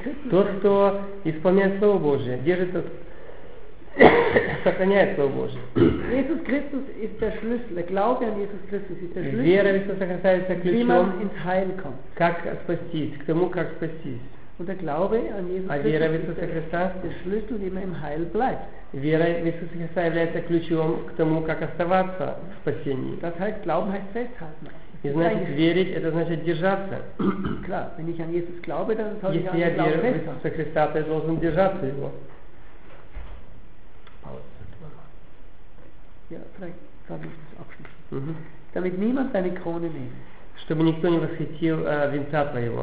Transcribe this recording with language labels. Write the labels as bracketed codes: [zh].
[ru] Тот, кто исполняет Слово Божие, держит от сохраняет Слово Божие. [de] Иисус Христос ist der Schlüssel. Glaube an Jesus Christus ist der Schlüssel. [ru] Вера в Иисуса Христа является ключом. [de] Wie man ins Heil kommt. [ru] Как спастись? К тому, как спастись? [de] Und der Glaube an Jesus Christus. [ru] А вера в Иисуса Христа [de] der Schlüssel, wie man im Heil bleibt. [ru] Вера в Иисуса Христа является ключом к тому, как оставаться в спасении. [de] Das heißt, Glauben heißt festhalten. [ru] И значит, верить, это значит держаться. [de] Klar, wenn ich an Jesus glaube, dann soll [ru] если я верю в Иисуса Христа, то я должен держаться Его. [de] Ja, vielleicht darf ich das abschließen. Damit niemand deine Krone nimmt. [ru] Чтобы никто не восхитил венца твоего.